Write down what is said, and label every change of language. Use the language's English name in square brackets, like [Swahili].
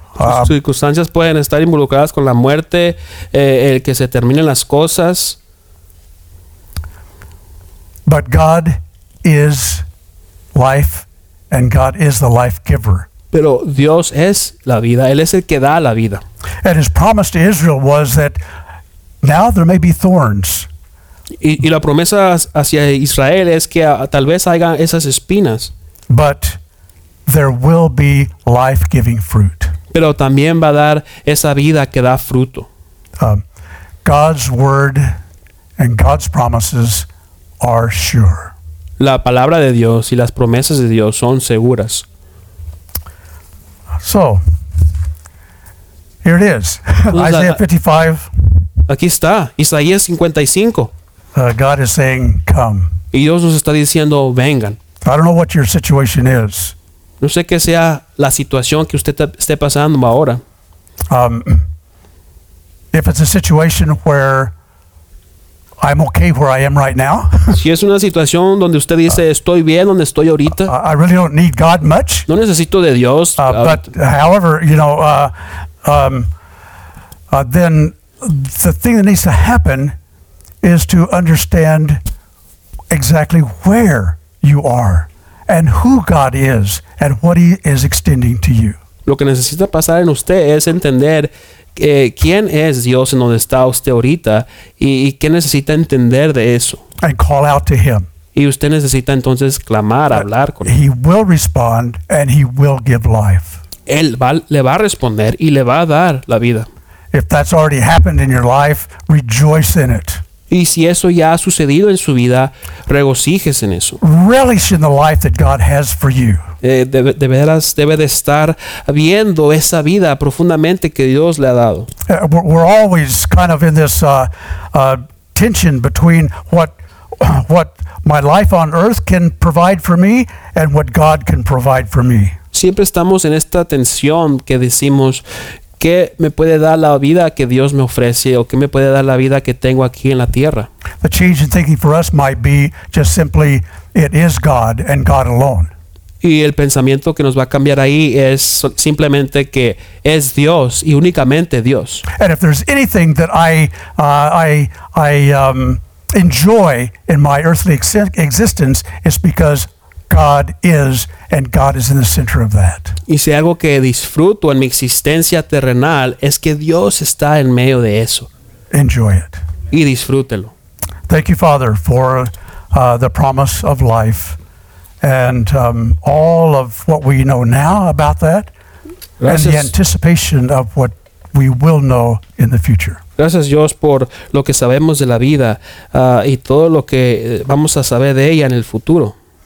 [Spanish] Sus circunstancias pueden estar involucradas con la muerte, el que se terminen las cosas. [English] But God is life, and God is the life giver. [Spanish] Pero Dios es la vida. Él es el que da la vida. [English] And his promise to Israel was that now there may be thorns. [Spanish] Y la promesa hacia Israel es que tal vez haya esas espinas. [English] But there will be life-giving fruit. [Spanish] Pero también va a dar esa vida que da fruto. [English] God's word and God's promises are sure. [Spanish] la palabra de Dios y las promesas de Dios son seguras. [English] So, here it is. Isaiah 55. [Spanish] Aquí está, Isaías 55. [English] God is saying, come. [Spanish] Y Dios nos está diciendo, vengan. [English] I don't know what your situation is. [Spanish] No sé qué sea la situación que usted esté pasando ahora. [English] If it's a situation where I'm okay where I am right now. [Spanish] Si es una situación donde usted dice estoy bien donde estoy ahorita. [English] I really don't need God much. [Spanish] No necesito de Dios. [English] But however, you know, then the thing that needs to happen is to understand exactly where you are and who God is and what He is extending to you. [Spanish] Lo que necesita pasar en usted es entender quién es Dios en donde está usted ahorita y qué necesita entender de eso. [English] And call out to Him. [Spanish] Y usted necesita entonces clamar, hablar con Él. [English] He will respond and He will give life. [Spanish] Él va, le va a responder y le va a dar la vida. [English] If that's already happened in your life, rejoice in it. [Spanish] Y si eso ya ha sucedido en su vida, regocíjese en eso. [English] Relish in the life that God has for you. [Spanish] De veras debe de estar viendo esa vida profundamente que Dios le ha dado. [English] We're always kind of in this tension between what my life on earth can provide for me and what God can provide for me. [Spanish] Siempre estamos en esta tensión que decimos, ¿qué me puede dar la vida que Dios me ofrece o qué me puede dar la vida que tengo aquí en la tierra? [English] The change in thinking for us might be just simply it is God and God alone. [Spanish] Y el pensamiento que nos va a cambiar ahí es simplemente que es Dios y únicamente Dios. [English] And if there's anything that I enjoy in my earthly existence, it's because God is, and God is in the center of that. [Spanish] Y si algo que disfruto en mi existencia terrenal es que Dios está en medio de eso. [English] Enjoy it. [Spanish] Y disfrútelo. [English] Thank you, Father, for the promise of life and all of what we know now about that. [Spanish] Gracias. [English] And the anticipation of what we will know in the future. [Spanish] Gracias, Dios, por lo que sabemos de la vida y todo lo que vamos a saber de ella en el futuro.